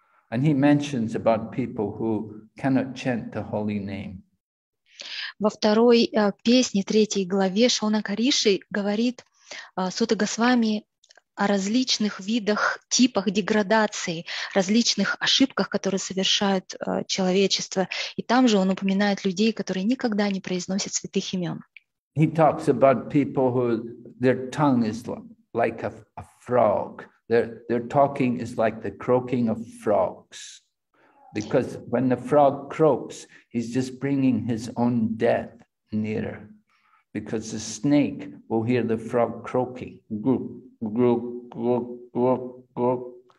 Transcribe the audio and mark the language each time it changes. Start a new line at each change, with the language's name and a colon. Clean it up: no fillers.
English: And he mentions about people who cannot chant the holy name.
Russian: Во второй песне, третьей главе Шонакариши говорит Сутта Госвами о различных видах, типах деградации, различных ошибках, которые совершают человечество. И там же он упоминает людей, которые никогда не произносят святых имен.
English: He talks about people who their tongue is like a frog. Their talking is like the croaking of frogs. Because when the frog croaks, he's just bringing his own death nearer. Because the snake will hear the frog croaking. Grook, grook, grook, grook, grook.